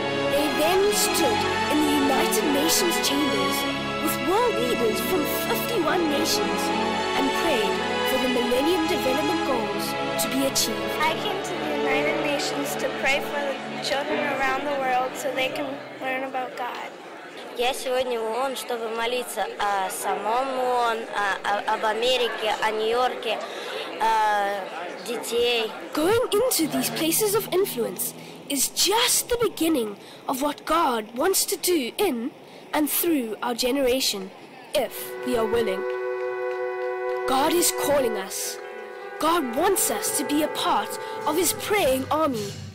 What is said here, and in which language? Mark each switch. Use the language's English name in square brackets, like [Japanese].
[English] They then stood in the United Nations chambers with world leaders from 51 nations and prayed for the Millennium Development Goals to be achieved. I came to the United Nations to pray for the children around the world so they can learn about God. [Russian] Я сегодня в ООН, чтобы молиться о самом ООН, об Америке, о Нью-Йорке, о детей. [English] Going into these places of influence is just the beginning of what God wants to do in and through our generation, if we are willing. God is calling us. God wants us to be a part of his praying army.